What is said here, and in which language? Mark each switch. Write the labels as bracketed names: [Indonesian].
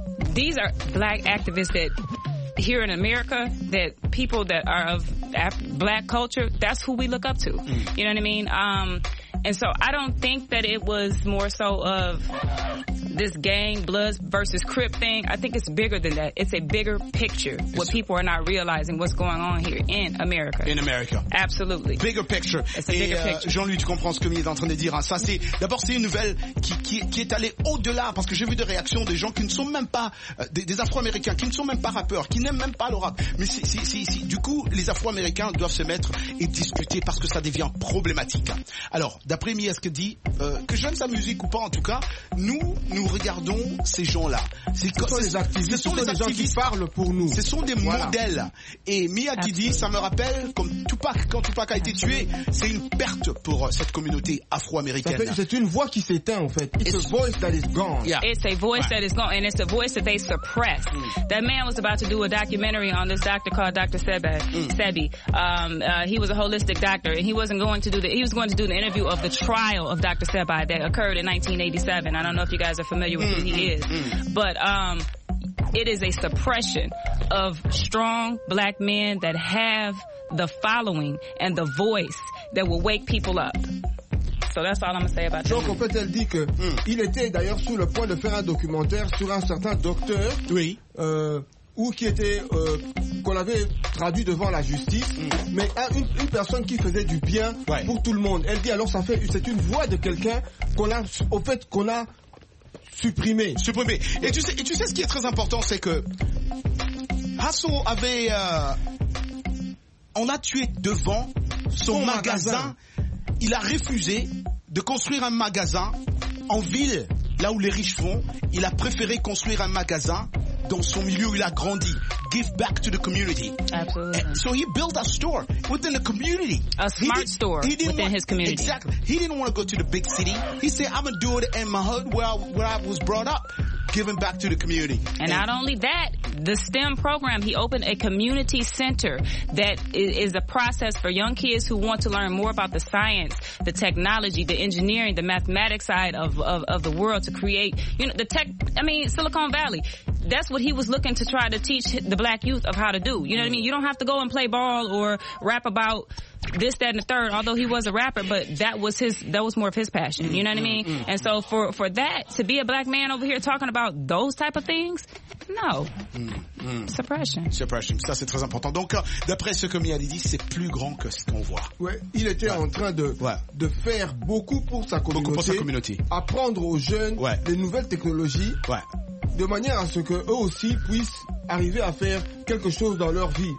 [English] These are black activists that here in America, that people that are of black culture, that's who we look up to. You know what I mean? And so I don't think that it was more so of this gang blood versus Crip thing. I think it's bigger than that. It's a bigger picture. What people are not realizing what's going on here in America. In America. Absolutely. Bigger picture. It's a bigger picture. [French] Jean-Louis, tu comprends ce que Mia est en train de dire. Hein. Ça, c'est d'abord, c'est une nouvelle qui est allée au-delà parce que j'ai vu des réactions des gens qui ne sont même pas des Afro-Américains, qui ne sont même pas rappeurs, qui n'aiment même pas le rap. Mais si. Du coup, les Afro-Américains doivent se mettre et discuter parce que ça devient problématique. Alors, d'après Mia, ce que dit, que j'aime sa musique ou pas, en tout cas, nous regardons ces gens-là. Ce sont les activistes. Gens qui parlent pour nous. Ce sont des modèles. Et Mia qui dit, ça me rappelle, comme Tupac, quand Tupac a été tué, c'est une perte pour cette communauté afro-américaine. C'est une voix qui s'éteint, en fait. [English] It's a voice that is gone. Yeah. It's a voice that is gone, and it's a voice that they suppress. Mm. That man was about to do a documentary on this doctor called Dr. Sebi. He was a holistic doctor, and he was going to do the interview of the trial of Dr. Sebi that occurred in 1987. I don't know if you guys are familiar with who he is. But it is a suppression of strong black men that have the following and the voice that will wake people up. So that's all I'm going to say about that. [French] Donc, en fait, elle dit que il était d'ailleurs sur le point de faire un documentaire sur un certain docteur. Oui. Ou qui était qu'on avait traduit devant la justice, mais une personne qui faisait du bien pour tout le monde. Elle dit alors c'est une voix de quelqu'un qu'on a supprimé. Et tu sais ce qui est très important, c'est que Hasso avait on a tué devant son magasin. Il a refusé de construire un magasin en ville là où les riches vont. Il a préféré construire un magasin dans son milieu où il a grandi. [English] Give back to the community. Absolutely. And so he built a store within the community. A smart store within his community. Exactly. He didn't want to go to the big city. He said, I'm going to do it in my hood where I was brought up. Giving back to the community. And not only that, the STEM program, he opened a community center that is a process for young kids who want to learn more about the science, the technology, the engineering, the mathematics side of the world to create, you know, Silicon Valley. That's what he was looking to try to teach the black youth of how to do. You know what I mean? You don't have to go and play ball or rap about this, that, and the third, although he was a rapper, but that was more of his passion. You know what I mean? And so for that, to be a black man over here talking about those type of things, no. Suppression. [French] Ça, c'est très important. Donc, d'après ce que Mialy dit, c'est plus grand que ce qu'on voit. Ouais, il était en train de faire beaucoup pour sa communauté. Beaucoup pour sa communauté. Apprendre aux jeunes les nouvelles technologies. Ouais. De manière à ce que eux aussi puissent arriver à faire quelque chose dans leur vie.